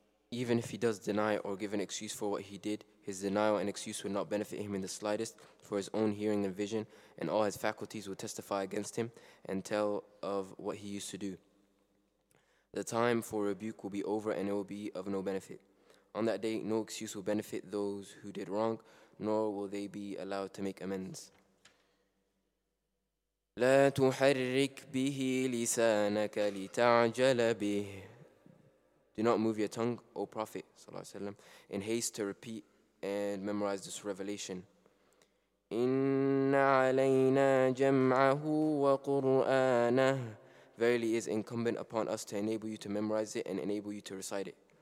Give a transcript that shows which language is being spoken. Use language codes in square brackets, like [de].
[en] Even if he does deny or give an excuse for what he did, his denial and excuse would not benefit him in the slightest, for his own hearing and vision and all his faculties would testify against him and tell of what he used to do. The time for rebuke will be over and it will be of no benefit. On that day, no excuse will benefit those who did wrong, nor will they be allowed to make amends. [ar] لا تحرك به لسانك لتعجل به. [en] Do not move your tongue, O Prophet, [ar] صلى الله عليه وسلم, [en] in haste to repeat and memorize this revelation. [ar] إِنَّ عَلَيْنَا جَمْعَهُ وَقُرْآنَهُ. [en] Verily it is incumbent upon us to enable you to memorize it and enable you to recite it.